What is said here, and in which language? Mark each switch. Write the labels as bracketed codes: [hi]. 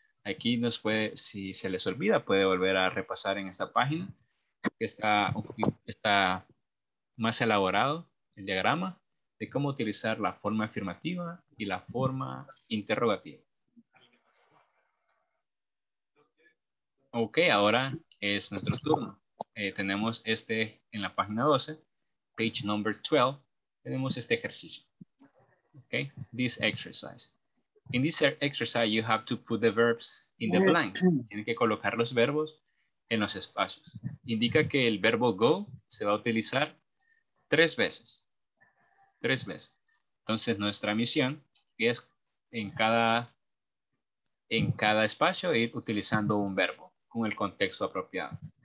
[es] Aquí nos puede, si se les olvida, puede volver a repasar en esta página que está más elaborado el diagrama de cómo utilizar la forma afirmativa y la forma interrogativa. Ok, ahora es nuestro turno. tenemos este en la página 12, [en] page number 12, [es] tenemos este ejercicio. [en] Okay, this exercise. In this exercise, you have to put the verbs in the blanks. [es] Tienen que colocar los verbos en los espacios. Indica que el verbo go se va a utilizar tres veces. Tres veces. Entonces, nuestra misión es en cada espacio ir utilizando un verbo con el contexto apropiado.